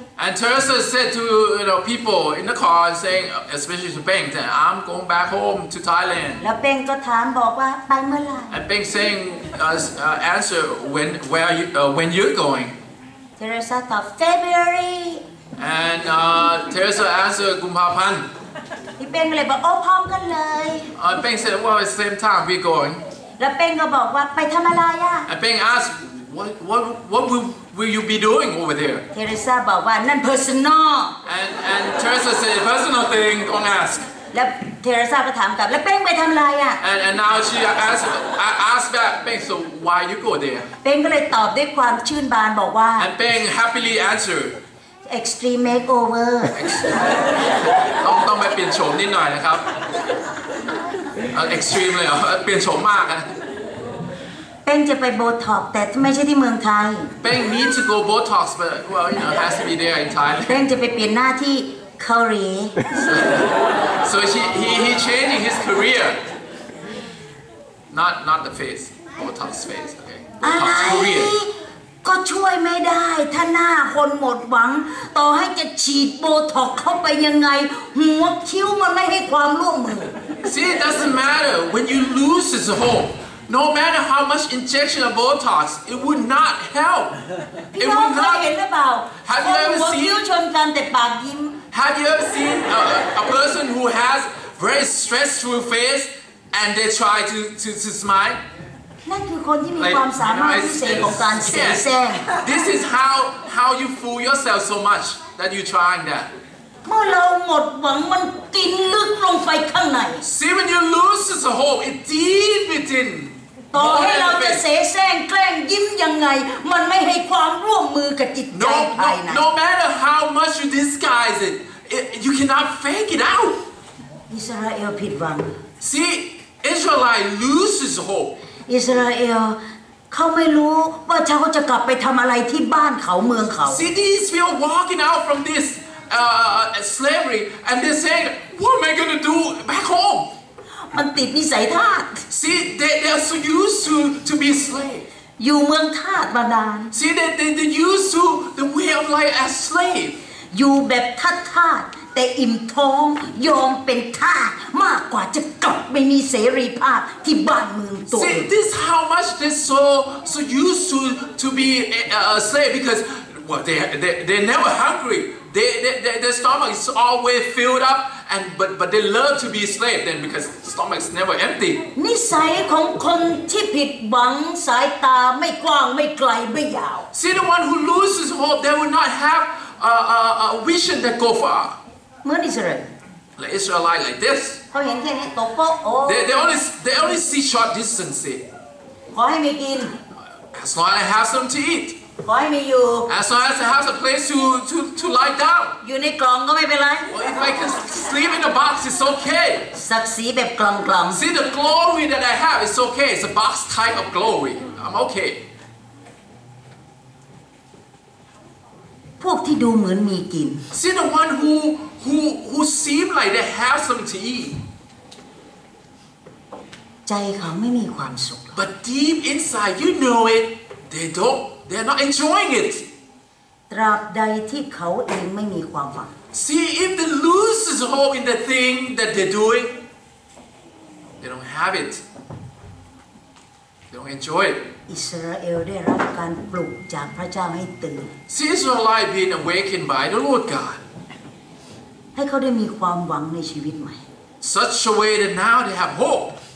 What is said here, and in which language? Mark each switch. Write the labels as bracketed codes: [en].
[en] And Teresa said to people in the car saying especially to Peng that I'm going back home to Thailand [th] แล้วเป้งก็ถามบอกว่าไปเมื่อไหร่ [en] And Peng saying answer when you're going [th] Teresa ตอบ February [en] And Teresa answered [th] กุมภาพันธ์พี่เป้งเลยบอกโอ้พร้อมกันเลย [en] And Peng said well at the same time we're going [th] แล้วเป้งก็บอกว่าไปทำอะไรอ่ะ [en] And Peng askedWhat will you be doing over there? [th] Teresa บอกว่านั่น personal. [en] And Teresa said personal thing. Don't ask. [th] แล้ว Teresa ก็ถามกลับแล้วเป้งไปทำไรอ่ะ [en] And now she asked back Peng. So why you go there? [th] Peng ก็เลยตอบด้วยความชื่นบานบอกว่า [en] And Peng happily answered. Extreme makeover. [th] ต้องไปเปลี่ยนโฉมนิดหน่อยนะครับ Extreme เลยเปลี่ยนโฉมมากนะ เป้งจะไปโบท็อกแต่ไม่ใช่ที่เมืองไทย [en] เป้ง need to go botox but well you know has to be there in Thailand [th] เป้งจะไปเปลี่ยนหน้าที่เกาหลี [en] so he changing his career not the face botox face okay [th] botox career ก็ช่วยไม่ได้ถ้าหน้าคนหมดหวังต่อให้จะฉีดโบท็อกเข้าไปยังไงหัวคิ้วมันไม่ให้ความร่วมมือ [en] see it doesn't matter when you lose his hopeNo matter how much injection of Botox, it would not help. It would not. Have you ever seen a person who has very stressful face and they try to smile? This is how you fool yourself so much that you're trying that. [th] เมื่อเราหมดหวังมันกินลึกลงไปข้างใน [en] See when you lose the hope, it's deep within. [th] ต่อให้เราจะ เสแสร้งแกล้งยิ้มยังไงมันไม่ให้ความร่วมมือกับจิตใจภายใน [en] No matter how much you disguise it, you cannot fake it out. [th] Israel ผิดหวัง [en] See, Israelite loses hope. [th] Israelเขาไม่รู้ว่าเขาจะกลับไปทำอะไรที่บ้านเขาเมืองเขา [en] See these people walking out from this slavery and they're saying what am I gonna do back home [th] มันติดนิสัยทาส [en] See they're so used to be slave [th] อยู่เมืองทาสมานาน [en] See they're used to the way of life as slave [th] อยู่แบบทาสแต่อิ่มท้องยอมเป็นทาสมากกว่าจะกลับไม่มีเสรีภาพที่บ้านเมืองตัวเอง [en] See this how much they so used to be a slave because well they never hungry their stomach is always filled up and but they love to be slave then because stomach's never empty [th] นิสัยของคนที่ผิดหวังสายตาไม่กว้างไม่ไกลไม่ยาว [en] See the one who loses hope they will not have a vision that go far [th] เหมือนอิสราเอล และอิสราเอลไลค์ [en] like this [th] เขาเห็นแค่นี้ตกโป๊ะโอ้ [en] they only see short distance [th] ขอให้มีกิน [en] as long as I have some to eat [th] ขอให้มีอยู่ [en] as long as I have a place to lie down [th] อยู่ในกล่องก็ไม่เป็นไร [en] well if I can sleep in a box it's okay [th] ศักดิ์ศรีแบบกล่อง [en] see the glory that I have it's okay it's a box type of glory I'm okay [th] พวกที่ดูเหมือนมีกิน [en] see the one who seem like they have some to eat [th] ใจเขาไม่มีความสุข [en] but deep inside you know it they're not enjoying it [th] ตราบใดที่เขาเองไม่มีความหวัง [en] see if they lose his hope in the thing that they're doing they don't have it they don't enjoy it [th] Israel ได้รับการปลุกจากพระเจ้าให้ตื่น [en] see Israelite being awakened by the Lord God [th] ให้เขาได้มีความหวังในชีวิตใหม่ [en] Such a way that now they have hope